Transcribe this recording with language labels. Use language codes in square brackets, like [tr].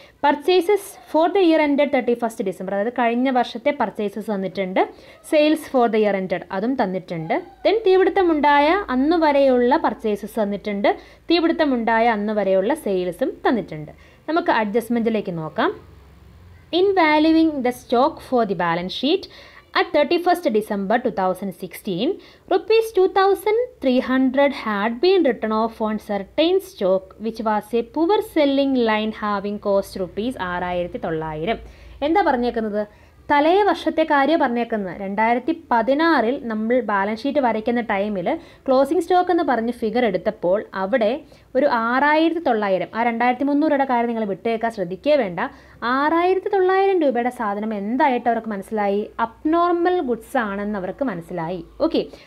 [en] purchases for the year ended [ml] 31st December, അതായത് കഴിഞ്ഞ വർഷത്തെ പർച്ചേസസ് തന്നിട്ടുണ്ട്. [en] sales for the year ended [ml] അതും തന്നിട്ടുണ്ട്. ദെൻ തീപിടുത്തമുണ്ടായ അന്ന് വരെയുള്ള പർച്ചേസസ് തന്നിട്ടുണ്ട്. തീപിടുത്തമുണ്ടായ അന്ന് വരെയുള്ള സെയിൽസും തന്നിട്ടുണ്ട്. നമുക്ക് അഡ്ജസ്റ്റ്മെൻറ്റിലേക്ക് നോക്കാം. In വാല്യൂവിങ് the stock for the balance sheet [en] at 31st December 2016, ₹2,300 had been written off on certain stock which was a poor selling line having cost ₹6,900. [ml] എന്താ പറഞ്ഞേക്കുന്നത്? തലേ വർഷത്തെ കാര്യം പറഞ്ഞേക്കുന്നത്. 2016 നമ്മൾ ബാലൻസ് ഷീറ്റ് വരയ്ക്കുന്ന ടൈമിൽ ക്ലോസിംഗ് സ്റ്റോക്ക് എന്ന് പറഞ്ഞ് ഫിഗർ എടുത്തപ്പോൾ അവിടെ ഒരു 6,900, ആ 2,300 കാര്യം നിങ്ങൾ വിട്ടേക്കാൻ ശ്രദ്ധിക്കേ വേണ്ട, 6,900 സാധനം എന്തായിട്ട് അവർക്ക് മനസ്സിലായി? അബ്നോർമൽ ഗുഡ്സ് ആണെന്ന് അവർക്ക് മനസ്സിലായി. ഓക്കെ,